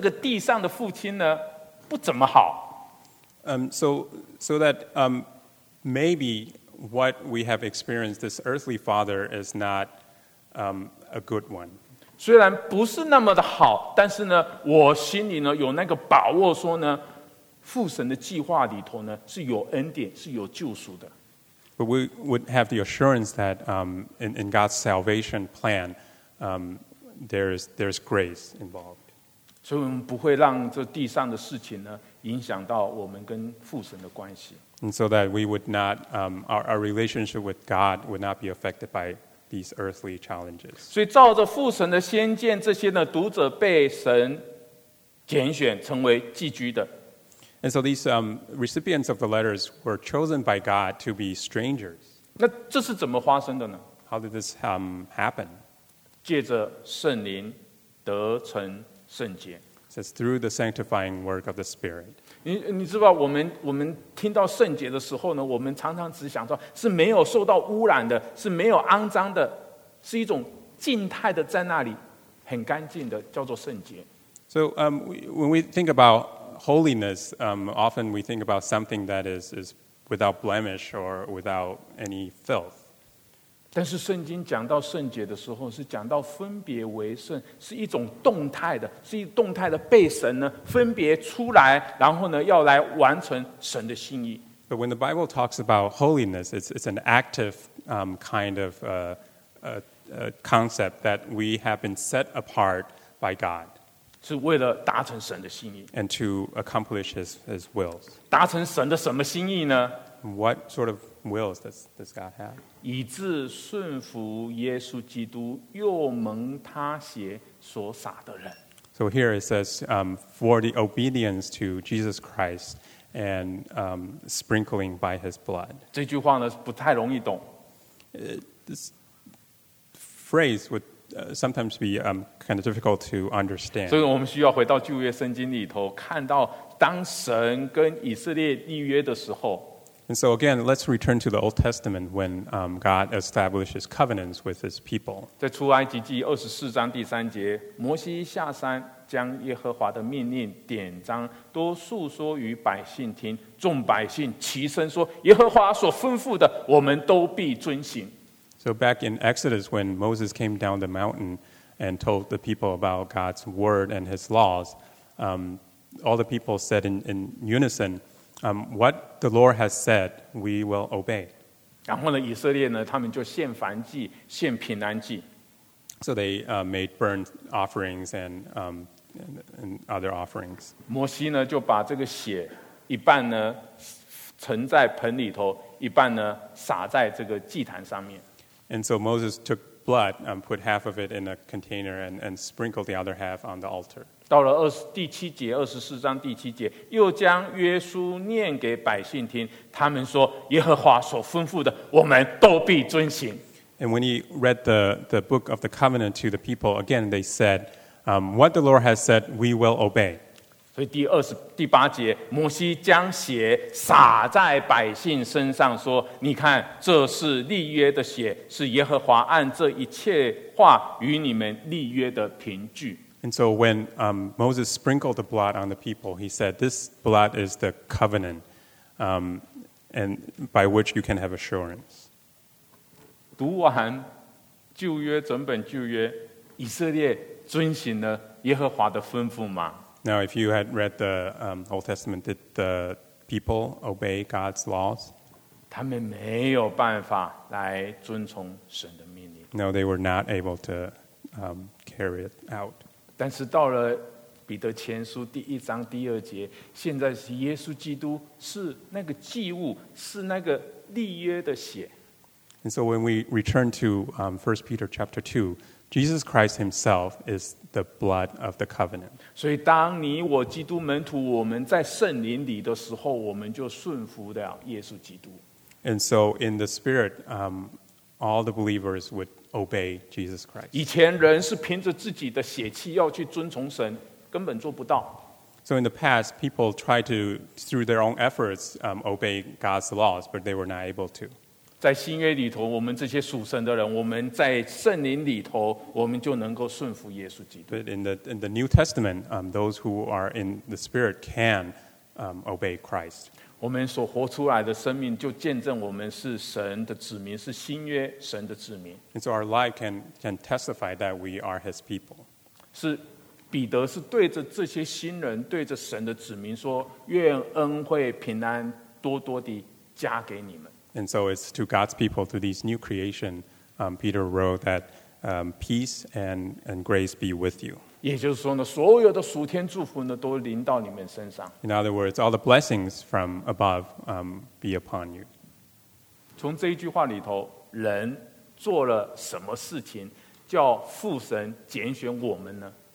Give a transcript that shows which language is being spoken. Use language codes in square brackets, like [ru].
[zh] 以至于呢，我们有一个把握，把握说呢，虽然我的眼睛看到的，我的经历所经历到的这个地上的父亲呢，不怎么好。 [en] So that maybe what we have experienced, this earthly father, is not a good one. [zh] 虽然不是那么的好，但是呢，我心里呢有那个把握说呢。父神的计划里头呢是有恩典是有救赎的。 [en] But we would have the assurance that in God's salvation plan, there's grace involved. [zh] 所以我们不会让这地上的事情呢影响到我们跟父神的关系。 [en] And so that we would not, our relationship with God would not be affected by these earthly challenges. [zh] 所以照着父神的先见，这些呢读者被神拣选成为寄居的。 [en] And so these recipients of the letters were chosen by God to be strangers. [zh] 那这是怎么发生的呢？ [en] How did this happen? [zh] 借着圣灵得成圣洁。 [en] It says through the sanctifying work of the Spirit. [zh] 你知道我们听到圣洁的时候呢，我们常常只想说是没有受到污染的，是没有肮脏的，是一种静态的在那里很干净的，叫做圣洁。 [en] So when we think about holiness, often we think about something that is without blemish or without any filth. [zh] 但是圣经讲到圣洁的时候，是讲到分别为圣，是一种动态的，是一动态的被神呢分别出来，然后呢要来完成神的心意。 [en] But when the Bible talks about holiness, it's an active kind of concept that we have been set apart by God. [zh] 是为了达成神的心意 [en] and to accomplish his will. [zh] 达成神的什么心意呢？ [en] What sort of wills does God have? [zh] 以致顺服耶稣基督又蒙他血所洒的人。 [en] So here it says for the obedience to Jesus Christ and sprinkling by his blood. [zh] 这句话呢不太容易懂。 [en] This phrase would sometimes be kind of difficult to understand. [zh] 所以我们需要回到旧约圣经里头，看到当神跟以色列立约的时候。 [en] And so again, let's return to the Old Testament when God establishes covenants with His people. [zh] 在出埃及记二十四章第三节，摩西下山，将耶和华的命令典章都述说于百姓听，众百姓齐声说：“耶和华所吩咐的，我们都必遵行。” [en] So back in Exodus, when Moses came down the mountain and told the people about God's word and his laws, all the people said in unison, what the Lord has said, we will obey. [zh] 然后呢，以色列呢，他们就献燔祭，献平安祭。 [en] So they made burnt offerings and other offerings. [zh] 摩西呢，就把这个血一半呢，盛在盆里头，一半呢，洒在这个祭坛上面。 [en] And so Moses took blood and put half of it in a container and sprinkled the other half on the altar. [zh] 到了第七节，二十四章第七节，又将约书念给百姓听，他们说，耶和华所吩咐的，我们都必遵行。 [en] And when he read the book of the covenant to the people, again they said, what the Lord has said, we will obey. [zh] 所以第八节，摩西将血洒在百姓身上，说：“你看，这是立约的血，是耶和华按这一切话与你们立约的凭据。” [en] And so when Moses sprinkled the blood on the people, he said, "This blood is the covenant, and by which you can have assurance." [zh] 读完旧约整本旧约，以色列遵行了耶和华的吩咐吗？ [en] Now, if you had read the Old Testament, did the people obey God's laws? No, they were not able to carry it out. [zh] 但是到了彼得前书第一章第二节，现在是耶稣基督是那个祭物，是那个立约的血。 [en] And so when we return to 1 Peter chapter 2, Jesus Christ himself is the blood of the covenant. [zh] 所以当你我基督门徒我们在圣灵里的时候，我们就顺服了耶稣基督。 [en] And so in the spirit, all the believers would obey Jesus Christ. [zh] 以前人是凭着自己的血气要去遵从神，根本做不到。 [en] So in the past, people tried to, through their own efforts, obey God's laws, but they were not able to. [zh] 在新约里头，我们这些属神的人，我们在圣灵里头，我们就能够顺服耶稣基督。 [en] But in the New Testament, those who are in the Spirit can obey Christ. [zh] 我们所活出来的生命就见证我们是神的子民，是新约神的子民。 [en] And so our life can testify that we are His people. [zh] 是彼得是对着这些新人，对着神的子民说，愿恩惠平安多多地加给你们。 [en] And so it's to God's people, to these new creation, Peter wrote that peace and grace be with you. [zh] 也就是说呢，所有的属天祝福呢，都临到你们身上。 [en] In other words, all the blessings from above be upon you. [zh] 从这一句话里头，人做了什么事情，叫父神拣选我们呢？